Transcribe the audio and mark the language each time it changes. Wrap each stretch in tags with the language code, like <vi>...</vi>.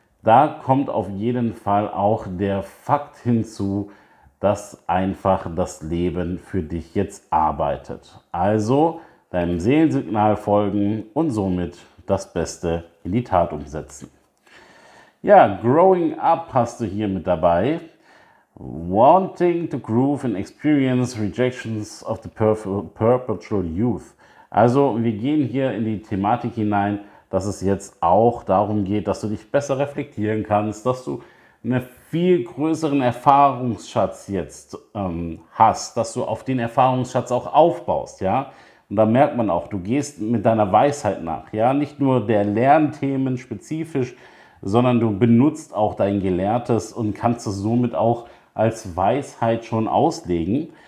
<de>Da kommt auf jeden Fall auch der Fakt hinzu, dass einfach das Leben für dich jetzt arbeitet. Also deinem Seelensignal folgen und somit das Beste in die Tat umsetzen. Ja, Growing Up hast du hier mit dabei.</de> <en>Wanting to groove and experience rejections of the perpetual youth.</en> <de>Also wir gehen hier in die Thematik hinein, dass es jetzt auch darum geht, dass du dich besser reflektieren kannst, dass du einen viel größeren Erfahrungsschatz jetzt hast, dass du auf den Erfahrungsschatz auch aufbaust, ja. Und da merkt man auch, du gehst mit deiner Weisheit nach, ja, nicht nur der Lernthemen spezifisch, sondern du benutzt auch dein Gelehrtes und kannst es somit auch als Weisheit schon auslegen.</de>